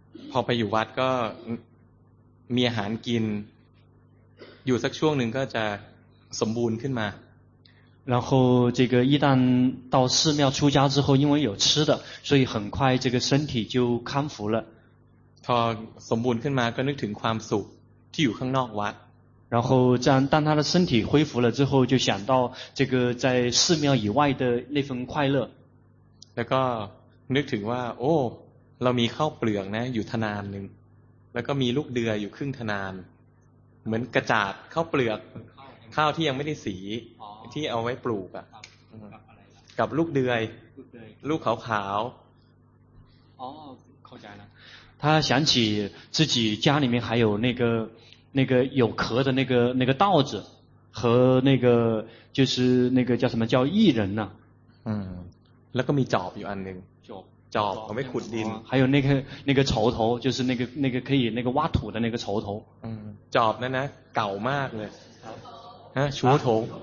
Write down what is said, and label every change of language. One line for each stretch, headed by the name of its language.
Thai: พอไปอยู่วัดก็มีอาหารกินอยู่สักช่วงหนึ่งก็จะสมบูรณ์ขึ้นมา
Chinese: 然后这个一旦到寺庙出家之后因为有吃的所以很快这个身体就康复了
Thai: พอสมบูรณ์ขึ้นมาก็นึกถึงความสุขที่อยู่ข้างนอกวัด
Chinese: 然后这样当他的身体恢复了之后就想到这个在寺庙以外的那份快乐
Thai: แล้วก็นึกถึงว่าโอ้เรามีข้าวเปลือกนะอยู่ทนานหนึ่งแล้วก็มีลูกเดือยอยู่ครึ่งทนานเหมือนกระจาดข้าวเปลือกข้าวที่ยังไม่ได้สีที่เอาไว้ปลูกอ่ะกับลูกเดือยลูกขาวขาว อ๋อเข้าใจละ
Chinese: 他想起自己家里面还有那个有壳的那个稻子和那个就是那个叫什么叫薏仁呢
Thai: แล้วก็มีจอบอยู่อันนึงจอบเอาไว้ขุดดิน
Chinese: 还有那个锄头就是那个可以那个挖土的那个锄头
Thai: จอบนั่นนะเก่ามากเลยฮะชูถง